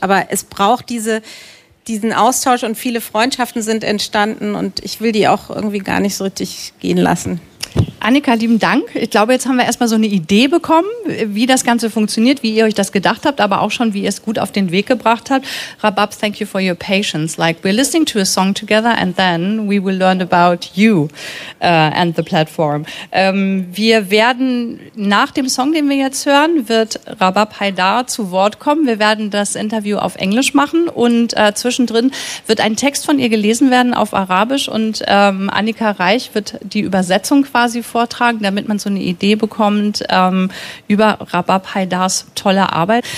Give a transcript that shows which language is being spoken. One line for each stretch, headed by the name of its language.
German: Aber es braucht diesen Austausch und viele Freundschaften sind entstanden. Und ich will die auch irgendwie gar nicht so richtig gehen lassen. Annika, lieben Dank. Ich glaube, jetzt haben wir erstmal so eine Idee bekommen, wie das Ganze funktioniert, wie ihr euch das gedacht habt, aber auch schon, wie ihr es gut auf den Weg gebracht habt.
English: Rabab, thank you for your patience. Like, we're listening to a song together and then we will learn about you and the platform.
German: Wir werden nach dem Song, den wir jetzt hören, wird Rabab Haidar zu Wort kommen. Wir werden das Interview auf Englisch machen und zwischendrin wird ein Text von ihr gelesen werden auf Arabisch und Annika Reich wird die Übersetzung quasi vortragen, damit man so eine Idee bekommt über Rabab Haidars tolle Arbeit.